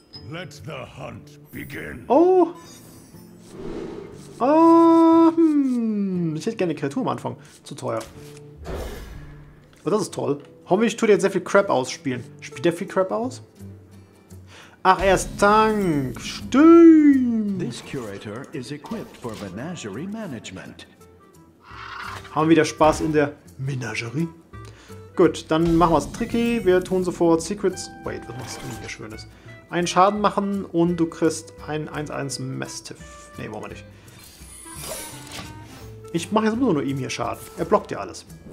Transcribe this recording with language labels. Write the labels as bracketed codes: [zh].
[en] Let the hunt begin. Oh! Oh! [de] Ich hätte gerne eine Kreatur am Anfang. Zu teuer. Aber das ist toll. Hoffentlich tut er jetzt sehr viel Crap ausspielen. Spielt der viel Crap aus? Ach, er ist Tank. Stimmt! [en] This curator is equipped for menagerie management. [de] Haben wieder Spaß in der Menagerie. Gut, dann machen wir es tricky. Wir tun sofort Secrets. [en] Wait, [de] was machst du denn hier Schönes? Einen Schaden machen und du kriegst ein 1-1 Mastiff. Nee, wollen wir nicht. Ich mache jetzt nur ihm hier Schaden. Er blockt ja alles.